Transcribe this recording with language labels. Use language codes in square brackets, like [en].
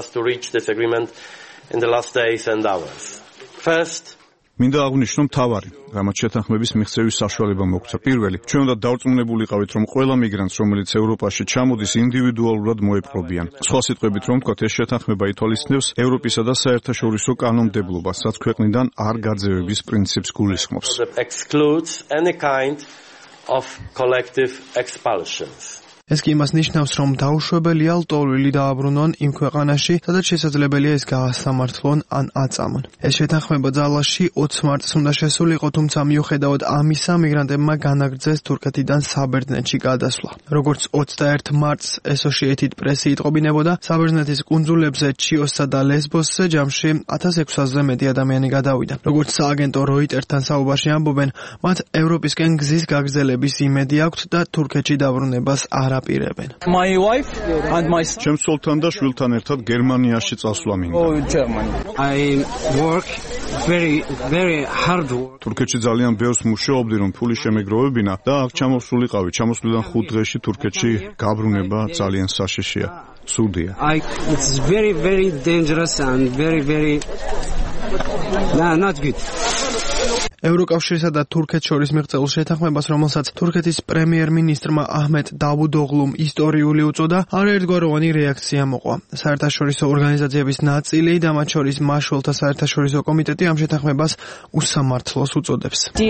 [en] Reach this agreement in the last days and hours. First, [ka] მინდა აღვნიშნო თავარი, რამაც შეთანხმების მიღწევის საშუალება მოგვცა. პირველი, ჩვენ უნდა დავწუნებულიყავით, რომ ყველა მიგრანტს, რომელიც ევროპაში ჩამოდის, ინდივიდუალურად მოეპყრობიან. სხვა სიტყვებით, რომ ვთქვათ, ეს შეთანხმება ითვალისწინებს ევროპისა და საერთაშორისო კანონმდებლობას, რაც ქვეყნიდან არ გაძევების პრინციპს გულისხმობს. [en] Excludes any kind of collective expulsions. [ka] ეს კი იმას ნიშნავს, რომ დაუშვებელია ლტოლვილი დააბრუნონ იმ ქვეყანაში, სადაც შესაძლებელია ის გაასამართლონ ან აწამონ. ეს შეთანხმება ძალაში 20 მარტს უნდა შესულიყო, თუმცა მიუხედავად ამისა მიგრანტებმა განაგრძეს თურქეთიდან საბერძნეთში გადასვლა. როგორც 21 მარტს Associated Press-ი იტყობინებოდა, საბერძნეთის კუნძულებზე ჩიოსსა და ლესბოსზე ჯამში 1600-ზე მეტი ადამიანი გადავიდა. როგორც სააგენტო როიტერთან საუბარში ამბობენ, მათ ევროპისკენ გზის გაგრძელების იმედი აქვთ და თურქეთში დაბრუნებას არაპირებენ. [en] My wife and my son. [ka] ჩემს სულთან და შვილთან ერთად გერმანიაში წასვლა მინდა. [en] Oh, Germany. I work very hard work. [ka] თურქეთში ძალიან ბევრს მუშაობდი, რომ ფული შემეგროვებინა და აქ ჩამოსულიყავი. ჩამოსვლიდან 5 დღეში თურქეთში გაბრუნება ძალიან საშიშია. ცუდია. [en] I it's very very dangerous and very very not good. [ka] ევროკავშირისა და თურქეთ შორის მიღწეულ შეთანხმებას, რომელსაც თურქეთის პრემიერ-მინისტრმა აჰმედ დავუდოღლუმ ისტორიული უწოდა, არაერთგვაროვანი რეაქცია მოყვა. საერთაშორისო ორგანიზაციების ნაწილი და მათ შორის მაშველთა საერთაშორისო კომიტეტი ამ შეთანხმებას უსამართლოს უწოდებს.